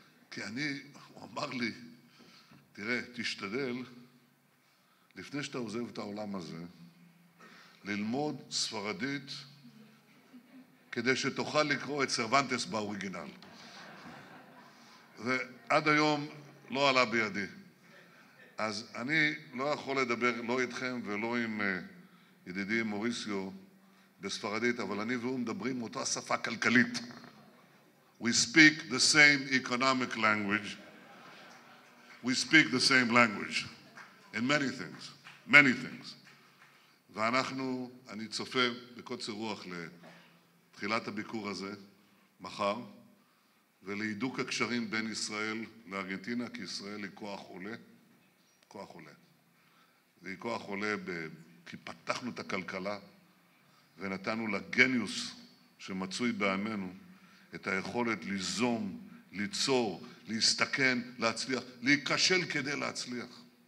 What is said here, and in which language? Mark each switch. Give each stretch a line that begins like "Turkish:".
Hebrew: כי אני, הוא אמר לי, תראה, תשתדל, לפני שאתה עוזב את העולם הזה, ללמוד ספרדית, כדי שתוכל לקרוא את סרוונטס באוריגינל. ועד היום לא עלה בידי. אז אני לא יכול לדבר לא איתכם ולא עם ידידי מוריסיו בספרדית, אבל אני והוא מדברים אותה שפה כלכלית.
English: We speak the same economic language. We speak the same language in many things, many things.
Hebrew: ואנחנו, אני צופה בקוצר רוח לתחילת הביקור הזה מחר ולהידוק הקשרים בין ישראל לארגנטינה, כי ישראל היא כוח עולה. והיא כוח עולה כי פתחנו את הכלכלה ונתנו לגניוס שמצוי בעמנו את היכולת ליזום, ליצור, להסתכן, להצליח, להיכשל כדי להצליח.